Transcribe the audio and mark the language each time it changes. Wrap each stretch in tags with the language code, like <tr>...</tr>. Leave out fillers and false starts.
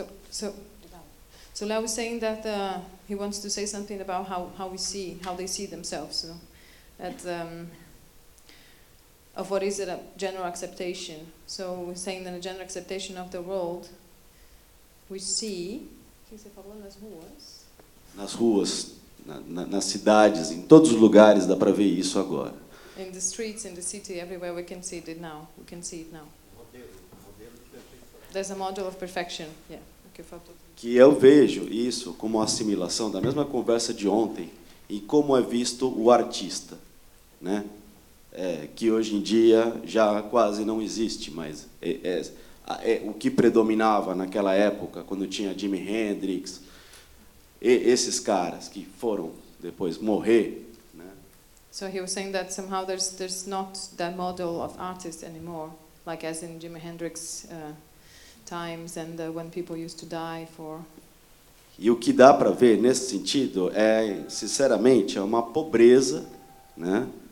<en>So Leo was saying that he wants to say something about how we see, how they see themselves, so that of what is it, a general acceptation. So we're saying that a general acceptation of the world, we see.</en> <pt>Que você falou nas ruas. Nas ruas, nas cidades, em todos os lugares dá para ver isso agora.</pt> <en>In the streets, in the city, everywhere we can see it now. We can see it now.</en> <pt>Modelo.</pt> <en>There's a model of perfection. Yeah.</en> <pt>Que eu vejo isso como assimilação da mesma conversa de ontem, em como é visto o artista. né? É, que hoje em dia já quase não existe, mas o que predominava naquela época, quando tinha Jimi Hendrix, esses caras que foram depois morrer. Né?</pt> <en>So he was saying that somehow there's not that model of artist anymore, like as in Jimi Hendrix times and when people used to die for.</en> <pt>E o que dá para ver nesse sentido é, sinceramente, é uma pobreza, né?</pt>